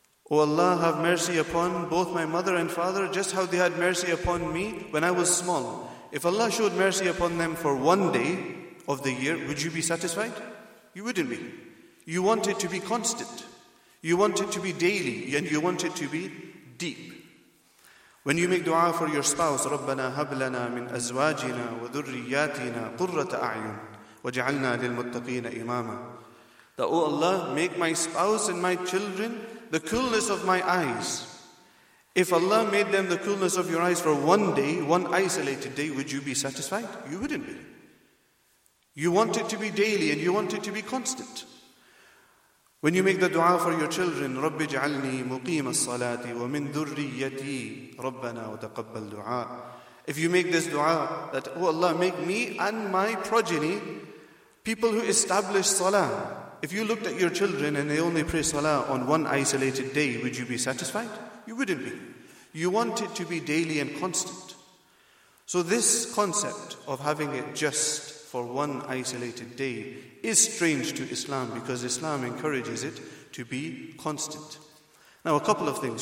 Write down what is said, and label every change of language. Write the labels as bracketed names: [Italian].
[English] O Allah, have mercy upon both my mother and father, just how they had mercy upon me when I was small. If Allah showed mercy upon them for one day of the year, would you be satisfied? You wouldn't be. You want it to be constant. You want it to be daily, and you want it to be deep. When you make dua for your spouse, [Arabic] رَبَّنَا هَبْلَنَا مِنْ أَزْوَاجِنَا وَذُرِّيَّاتِنَا قُرَّةَ أَعْيُنْ وَجَعَلْنَا لِلْمُتَّقِينَ إِمَامًا. [English] That, O Allah, make my spouse and my children the coolness of my eyes. If Allah made them the coolness of your eyes for one day, one isolated day, would you be satisfied? You wouldn't be. You want it to be daily and you want it to be constant. When you make the dua for your children, [Arabic] رَبِّ جَعَلْنِي مُقِيمَ الصَّلَاةِ وَمِنْ ذُرِّيَّتِي رَبَّنَا وَتَقَبَّلْ دُعَاء. [English] If you make this dua, that, O Allah, make me and my progeny people who establish salah. If you looked at your children and they only pray salah on one isolated day, would you be satisfied? You wouldn't be. You want it to be daily and constant. So this concept of having it just for one isolated day is strange to Islam, because Islam encourages it to be constant. Now, a couple of things.